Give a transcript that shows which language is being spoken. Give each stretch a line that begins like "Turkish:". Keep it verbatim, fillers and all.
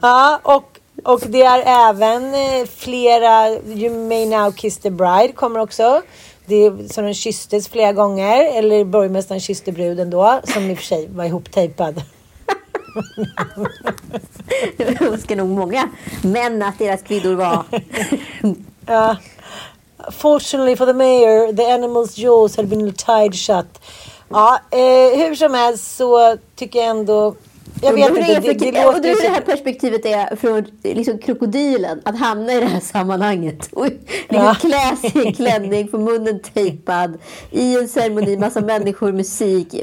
Swedish: Ja, och, och det är även flera, You May Now Kiss the Bride kommer också. Det är som den kysstes flera gånger. Eller borgmästaren kysste bruden då, som i och för sig var ihoptejpad. Jag önskar nog många men att deras kvinnor var... Ja.
English: Fortunately for the mayor, the animal's jaws had been tied shut.
Swedish: Ja, eh, hur som helst så tycker jag ändå... Jag vet det inte, det, det, det låter... Och det här perspektivet är från liksom, krokodilen, att hamna i det här sammanhanget. Och liksom, klä sig i klänning, på munnen tejpad, i en ceremoni, massa människor, musik.